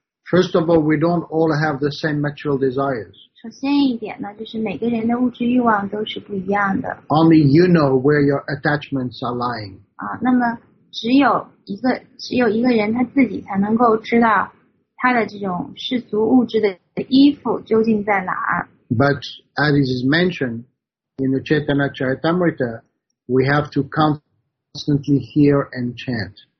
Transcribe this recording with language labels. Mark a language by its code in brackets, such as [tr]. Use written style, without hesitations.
[en] First of all, we don't all have the same material desires. [zh] 首先一点呢，就是每个人的物质欲望都是不一样的。 [en] Only you know where your attachments are lying. [zh] 那么只有一个人他自己才能够知道他的这种世俗物质的依附究竟在哪儿。 [en] But as is mentioned in the Chaitanya Charitamrita, we have to constantly hear and chant.